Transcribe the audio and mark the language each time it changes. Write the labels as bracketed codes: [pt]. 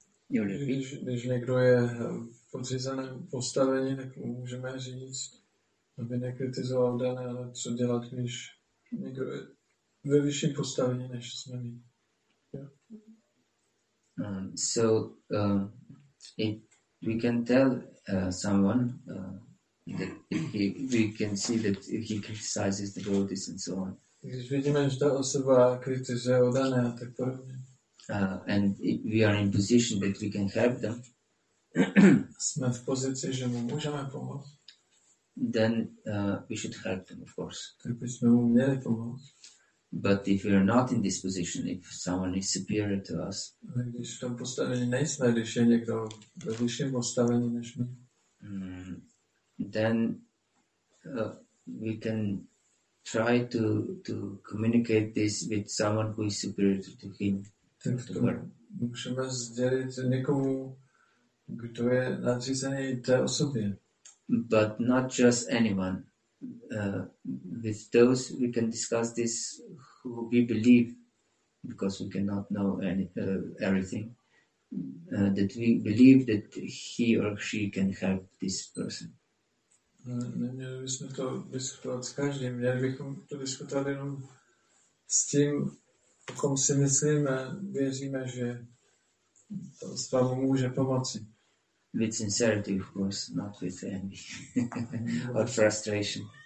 [cs] chovat. Když někdo je v podřízeném postavení, tak mu můžeme říct, aby nekritizoval dané, ale co dělat, když někdo je ve vyšším postavení, než jsme my. [en] So if we can tell someone that we can see that he criticizes the devotees and so on. [cs] Když vidíme, že ta osoba kritizuje oddané a tak podobně. [en] And we are in position that we can help them. [cs] Jsme v pozici, že mu můžeme pomoct. [en] Then we should help them, of course. [cs] Tak bychom mu měli pomoct. [en] But if we are not in this position, if someone is superior to us, [cs] když v tom postavení nejsme, když je někdo ve vyšším postavení než my, [en] then we can try to communicate this with someone who is superior to him. [cs] Můžeme sdělit někomu, kdo je nadřízený té osobě. [en] But not just anyone. With those we can discuss this who we believe, because we cannot know any everything, that we believe that he or she can help this person. [cs] Neměli bychom to diskutovat s každým, měli bychom to diskutovat jenom s tím, o kom si myslíme, věříme, že to s vámi může pomoci. [en] With sincerity, of course, not with envy or frustration.